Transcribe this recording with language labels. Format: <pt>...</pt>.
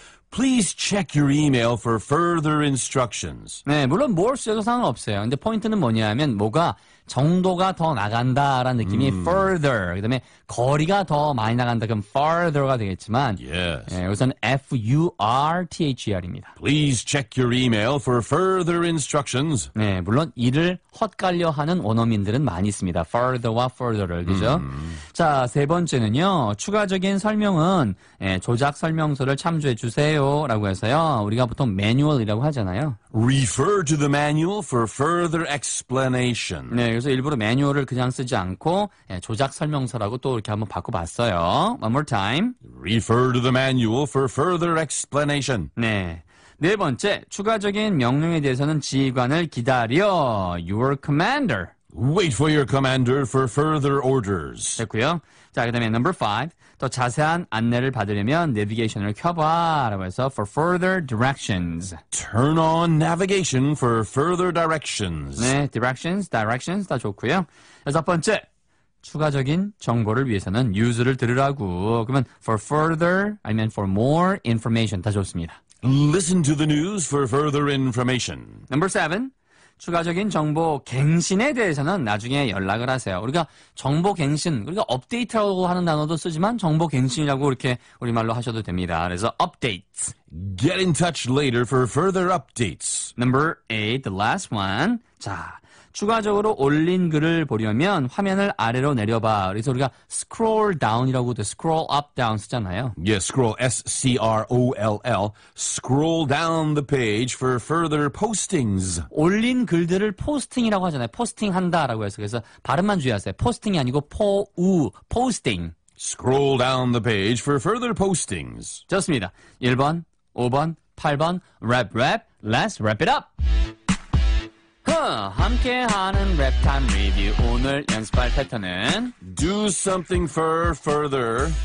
<en>Please check your email for further instructions.</en> <ko>네, 물론 뭘 쓰셔도 상관없어요. 근데 포인트는 뭐냐면 뭐가 정도가 더 나간다라는 느낌이 further. 그다음에 거리가 더 많이 나간다. 그럼 farther가 되겠지만,</ko> <en>Yes.</en> <ko>네, 우선 FURTHER입니다.</ko> <en>Please check your email for further instructions.</en> <ko>네, 물론 이를 헛갈려 하는 원어민들은 많이 있습니다. farther와 further를, 그죠? 자, 세 번째는요. 추가적인 설명은 조작 설명서를 참조해 주세요라고 해서요. 우리가 보통 매뉴얼이라고 하잖아요.</ko> <en>Refer to the manual for further explanation.</en> <ko>네, 그래서 일부러 매뉴얼을 그냥 쓰지 않고 조작 설명서라고 또 이렇게 한번 바꿔봤어요.</ko> <en>One more time. Refer to the manual for further explanation.</en> <ko>네. 네 번째, 추가적인 명령에 대해서는 지휘관을 기다려.</ko> <en>Your commander. Wait for your commander for further orders.</en> <ko>됐고요. 자, 그다음에</ko> <en>number five.</en> <ko>더 자세한 안내를 받으려면 내비게이션을 켜봐라고 해서</ko> <en>for further directions. Turn on navigation for further directions.</en> <ko>네, directions 다 좋고요. 여섯 번째, 추가적인 정보를 위해서는 뉴스를 들으라고.</ko> <en>그러면 for further, I mean for more information</en> <ko>다 좋습니다.</ko> <en>Listen to the news for further information. Number seven.</en> <ko>추가적인 정보 갱신에 대해서는 나중에 연락을 하세요. 우리가 정보 갱신, 우리가 업데이트라고 하는 단어도 쓰지만 정보 갱신이라고 이렇게 우리말로 하셔도 됩니다. 그래서 업데이트.</ko> <en>Get in touch later for further updates. Number eight, the last one.</en> <ko>자, 추가적으로 올린 글을 보려면 화면을 아래로 내려봐. 그래서 우리가 scroll down이라고도 scroll up down 쓰잖아요.</ko> <en>Yes, scroll. Scroll. Scroll down the page for further postings.</en> <ko>올린 글들을 포스팅이라고 하잖아요. 포스팅한다라고 해서. 그래서 발음만 주의하세요. 포스팅이 아니고 포스팅.</ko> <en>Scroll down the page for further postings.</en> <ko>좋습니다. 1번, 5번, 8번,</ko> <en>rap. Let's wrap it up.</en> <ko>함께하는 랩타임 리뷰. 오늘 연습할 패턴은</ko> <en>Do something for further.</en>